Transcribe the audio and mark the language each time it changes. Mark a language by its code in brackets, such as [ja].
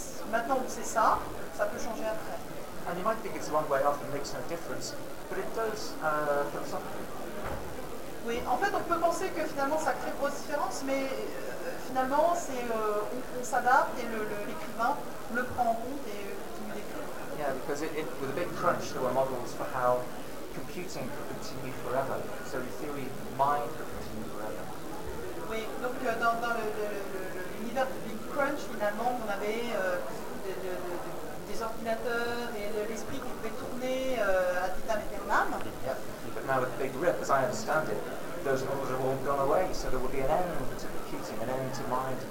[fr] Maintenant on sait ça, ça peut changer après. [en] And you might think it's a long way off and makes no difference, but it does philosophically. [fr] Oui, en fait, on peut penser que finalement ça crée grosse différence, mais finalement c'est on s'adapte et l'écrivain le prend en compte et continue d'écrire. [en] Yeah, because it with a big crunch, there were models for how computing could continue forever. So in theory, mind could continue forever. [fr] Oui, donc dans l'univers du big crunch, finalement, on avait des ordinateurs et l'esprit qui pouvait tourner à titan et ternam. [en] But now with the big rip, as I understand it, those models have all gone away, so there will be an end to computing, an end to mind.